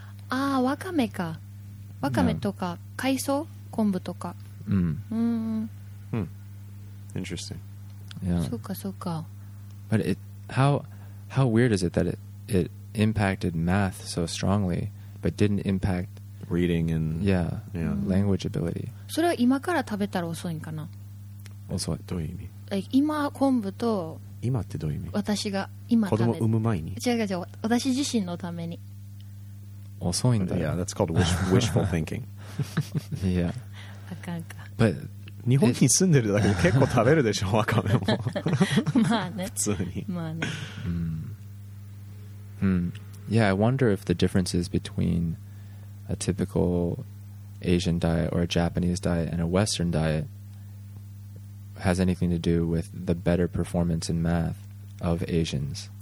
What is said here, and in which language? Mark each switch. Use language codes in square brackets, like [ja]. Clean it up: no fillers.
[ja] Ah, wakame ka. Wakame toka kaiso kombu toka. [en] Interesting. Yeah. So. But how weird is it that it impacted math so strongly? but didn't impact reading and yeah, yeah. language ability. [ja] それは今から食べたら遅いんかな。遅い。どういう意味？今昆布と今ってどういう意味？私が今食べ子供産む前に。違う違う、私自身のために。遅いんだ。 [en] Yeah, that's called wishful thinking. yeah. [ja] あかんか。 [en] But [ja] 日本に住んでるだけで結構食べるでしょ、わかめも。まあね。普通に。まあね。 Mm. Mm. [en] Yeah, I wonder if the difference is between a typical Asian diet or a Japanese diet and a Western diet has anything to do with the better performance in math of Asians.